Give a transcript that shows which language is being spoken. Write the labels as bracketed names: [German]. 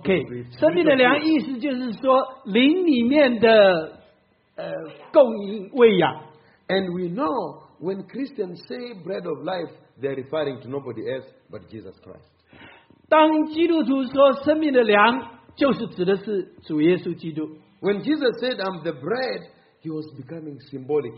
[Chinese] Okay, 生命的粮意思就是说灵里面的供应喂养。 [English] And we know when Christians say bread of life, they are referring to nobody else but Jesus Christ. [Chinese] 当基督徒说生命的粮就是指的是主耶稣基督。 [English] When Jesus said, I'm the bread, he was becoming symbolic.